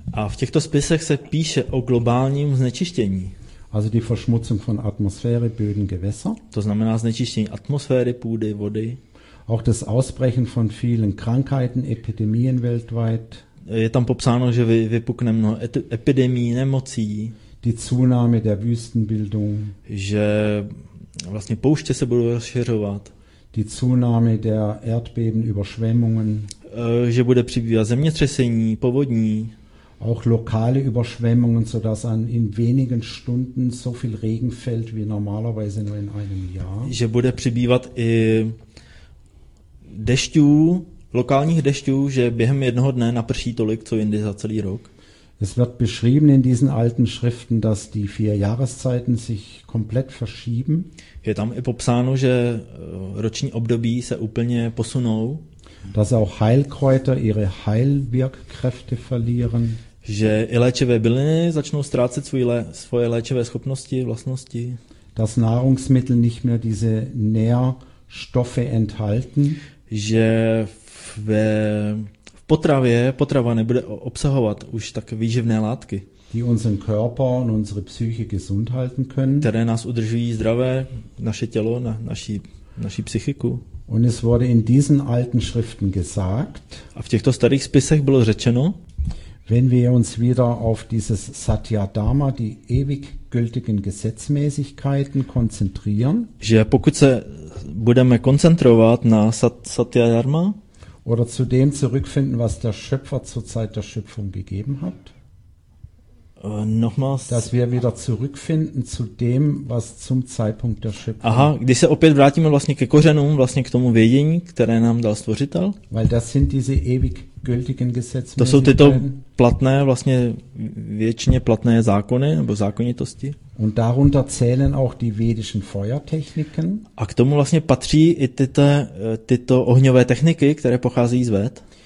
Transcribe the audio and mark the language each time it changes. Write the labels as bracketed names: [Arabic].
[Czech] A v těchto spisech se píše o globálním znečištění. [German] Also die Verschmutzung von Atmosphäre, Böden, Gewässer. [Czech] To znamená znečištění atmosféry, půdy, vody. [German] Auch das Ausbrechen von vielen Krankheiten, Epidemien weltweit. [Czech] Je tam popsáno, že vypukne mnoho epidemií, nemocí. [German] Die Zunahme der Wüstenbildung. [Czech] Že vlastně pouště se budou rozšiřovat. [German] Die Zunahme der Erdbeben, Überschwemmungen. [Czech] Že bude přibývat zemětřesení, povodní. [German] Auch lokale Überschwemmungen, so dass in wenigen Stunden so viel Regen fällt wie normalerweise nur in einem Jahr. [Czech] Že bude přibývat i dešťů, lokálních dešťů, že během jednoho dne naprší tolik, co jindy za celý rok. [German] Es wird beschrieben in diesen alten Schriften, dass die vier Jahreszeiten sich komplett verschieben. [Czech] Je tam i popsáno, že roční období se úplně posunou. [German] Dass auch Heilkräuter ihre Heilwirkkräfte verlieren. [Czech] Že i léčivé byliny začnou ztrácet svoje léčivé schopnosti, vlastnosti. [German] Dass Nahrungsmittel nicht mehr diese Nährstoffe enthalten. [Czech] že v potravě potrava nebude obsahovat už tak výživné látky, [German] die unseren Körper und unsere Psyche gesund halten können. [Czech] Které nás udržují zdravé, naše tělo, naši psychiku. [German] Und es wurde in diesen alten Schriften gesagt, [Czech] a v těchto starých spisech bylo řečeno, [German] wenn wir uns wieder auf dieses Satyadharma, die ewig gültigen Gesetzmäßigkeiten konzentrieren, [Czech] že pokud se budeme koncentrovat na Satyadharma, [German] oder zu dem zurückfinden, was der Schöpfer zur Zeit der Schöpfung gegeben hat, nochmals, dass wir wieder zurückfinden zu dem, was zum Zeitpunkt der Schöpfung. [Czech] Aha, když se opět vrátíme vlastně ke kořenům, vlastně k tomu vědění, které nám dal Stvořitel. [German] Weil das sind diese ewig gültigen Gesetze. [Czech] To jsou tyto platné, vlastně věčně platné zákony nebo zákonitosti. [German] Und darunter zählen auch die vedischen Feuertechniken. [Czech] A k tomu vlastně patří i tyto ohňové techniky, které pocházejí z Véd.